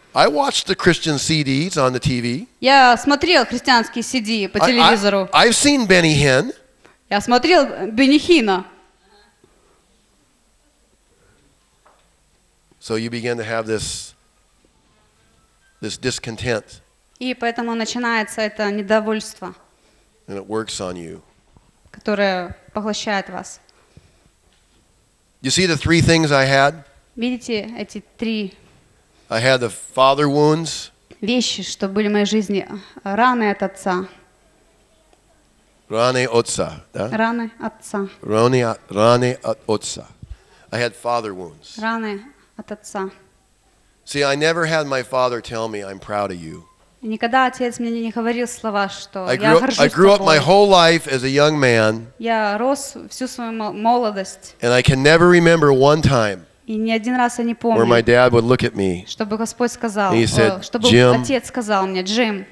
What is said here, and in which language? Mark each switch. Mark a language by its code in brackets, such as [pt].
[en] I watched the Christian CDs on the TV. [ru] Я смотрел христианские CD по телевизору. [en] I've seen Benny Hinn. [ru] Я смотрел Бенни Хина. [en] So you begin to have this discontent. [ru] И поэтому начинается это недовольство. [en] And it works on you. [ru] Которое поглощает вас. [en] You see the three things I had? [ru] Видите эти три? [en] I had the father wounds. [ru] Вещи, что были в моей жизни, раны от отца. Раны отца, да? Раны отца. Раны от отца. [en] I had father wounds. [ru] Раны. [en] See, I never had my father tell me, "I'm proud of you." [ru] Никогда отец мне не говорил слова, что я горжусь тобой. [en] I grew up my whole life as a young man. [ru] Я рос всю свою молодость. [en] And I can never remember one time. [ru] И ни один раз я не помню. [en] Where my dad would look at me. [ru] Чтобы Господь сказал. [en] He said, "Jim." [ru] Чтобы отец сказал мне, Джим.